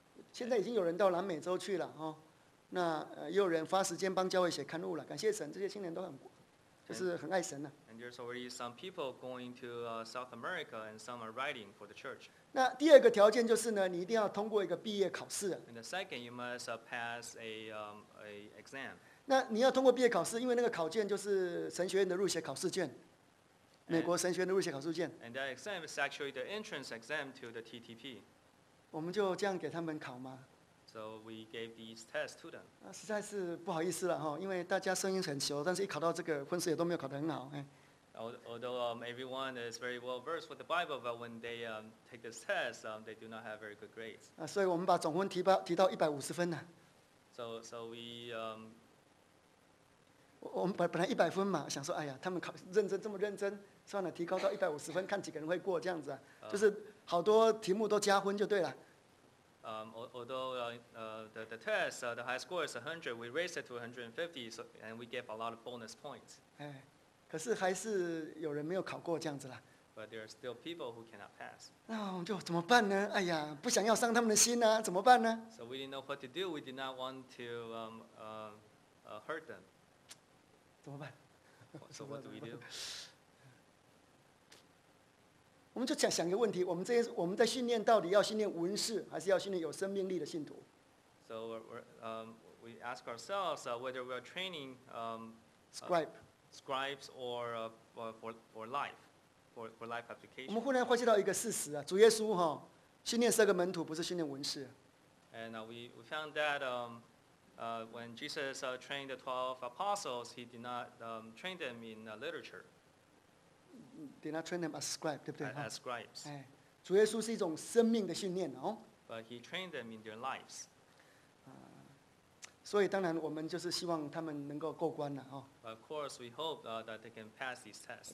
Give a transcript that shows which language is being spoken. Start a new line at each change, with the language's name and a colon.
Chinese: 现在已经有人到南美洲去了哈、哦，那也有人花时间帮教会写刊物了。感谢神，这些青年都很，就是很爱神呢、啊。
English: And there's already some people going to South America, and some are writing for the church.
Chinese: 那第二个条件就是呢，你一定要通过一个毕业考试。
English: And the second, you must pass a exam.
Chinese: 那你要通过毕业考试，因为那个考卷就是神学院的入学考试卷，
English: and,
Chinese: 美国神学院的入学考试卷。
English: And that exam is actually the entrance exam to the TTP.
Chinese: 我们就这样给他们考吗
English: ？So we gave these tests to them.
Chinese: 那实在是不好意思了哈，因为大家声音很熟，但是一考到这个分数也都没有考得很好，哎。
English: Although everyone is very well versed with the Bible, but when they take this test, they do not have very good grades.
Chinese: 所以我们把总分提到150分呢。
English: So we
Chinese: 我们本来100分嘛，想说哎呀，他们考认真这么认真，算了，提高到150分，看几个人会过这样子啊，就是好多题目都加分就对了。
English: Although the test the high score is 100, we raised it to 150, so and we gave a lot of bonus points.
Chinese: 可是还是有人没有考过这样子啦。
English: But there are still people who cannot pass.
Chinese: 那我们就怎么办呢？哎呀，不想要伤他们的心啊，怎么办呢
English: ？So we didn't know what to do. We did not want to hurt them.
Chinese: 怎么办
English: ？So what do we do?
Chinese: 我们就想一个问题：我们在训练到底要训练文士，还是要训练有生命力的信徒
English: ？So we ask ourselves whether we are training scribes or for life, for life application.
Chinese: 我们忽然发现到一个事实啊，主耶稣哈训练十个门徒，不是训练文士。
English: And we found that when Jesus trained the 12 apostles, he did not train them in literature. Did not train them as scribes,
Chinese: 对不对
English: ？As scribes.
Chinese: 哎，主耶稣是一种生命的训练哦。
English: But he trained them in their lives.
Chinese: 所以当然我们就是希望他们能够过关了哦。
English: Of course, we hope that they can pass these tests.